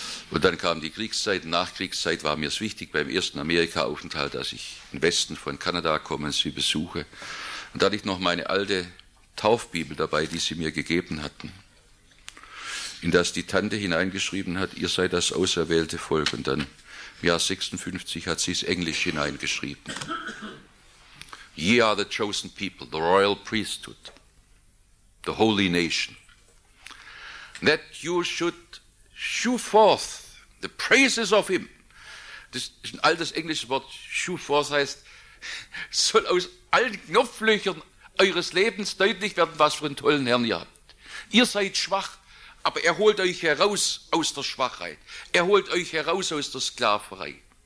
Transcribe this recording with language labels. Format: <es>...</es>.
<de>Und dann kam die Kriegszeit. Nachkriegszeit war mir es wichtig beim ersten Amerika-Aufenthalt, dass ich im Westen von Kanada komme und sie besuche. Und da hatte ich noch meine alte Taufbibel dabei, die sie mir gegeben hatten, in das die Tante hineingeschrieben hat, ihr seid das auserwählte Volk. Und dann im Jahr 56 hat sie es Englisch hineingeschrieben.</de> <en>Ye are the chosen people, the royal priesthood, the holy nation, that you should shew forth the praises of him.</en> <de>Das ist ein altes englisches Wort,</de> <en>shew forth</en> <de>heißt, soll aus allen Knopflöchern eures Lebens deutlich werden, was für einen tollen Herrn ihr habt. Ihr seid schwach, aber er holt euch heraus aus der Schwachheit. Er holt euch heraus aus der Sklaverei.</de>